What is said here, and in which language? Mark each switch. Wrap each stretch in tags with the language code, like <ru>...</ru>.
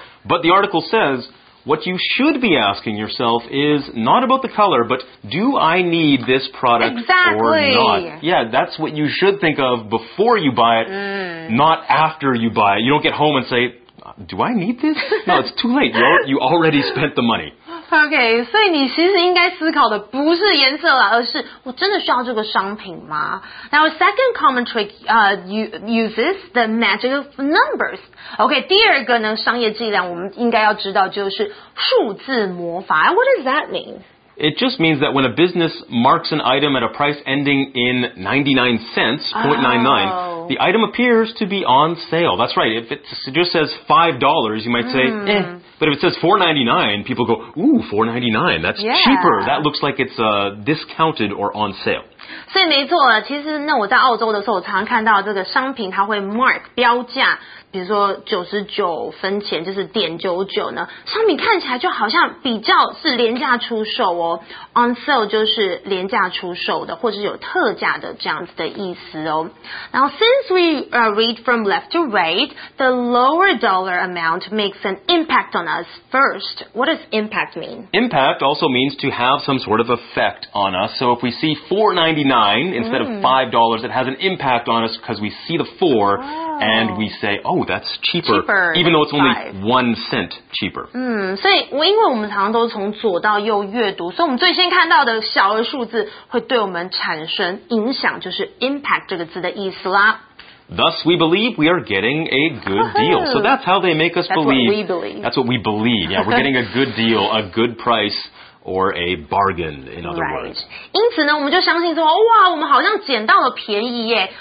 <en>But the article says... What you should be asking yourself is not about the color, but do I need this product or not? Yeah, that's what you should think of before you buy it, not after you buy it. You don't get home and say, do I need this? No, it's too late. You already spent the money.</en> <zh>OK, 所以你其实应该思考的不是颜色啦，而是我真的需要这个商品吗？</zh> <en>Now, second common trick, uses the magic of numbers.</en> <zh>OK, 第二个呢，商业伎俩我们应该要知道就是数字魔法。</zh> <en>What does that mean? It just means that when a business marks an item at a price ending in 99 cents, 0.99, the item appears to be on sale. That's right. If it just says $5, you might say, eh. But if it says $4.99, people go, ooh, $4.99, that's cheaper. That looks like it's discounted or on sale.</en> <zh>所以没错啊，其实那我在澳洲的时候，我常常看到这个商品它会 mark 标价，比如说99分钱，就是.99呢，商品看起来就好像比较是廉价出售哦 ，</zh> <en>on sale</en> <zh>就是廉价出售的，或者是有特价的这样子的意思哦。</zh> <en>Now since we read from left to right, the lower dollar amount makes an impact on us first. What does impact mean? Impact also means to have some sort of effect on us. So if we see $4.99 instead of $5, it has an impact on us because we see the four and we say, oh, that's cheaper even though it's only 1 cent cheaper.</en> <zh>所以因为我们常常都从左到右阅读，所以我们最先看到的小额数字会对我们产生影响，就是 impact 这个字的意思啦。</zh> <en>Thus, we believe we are getting a good deal. So that's how they make us believe. That's what we believe. That's what we believe. Yeah, we're getting a good deal, a good price. Or a bargain, in other words. Right.</en> <zh>因此呢，我们就相信说，哇，我们好像捡到了便宜耶。</zh>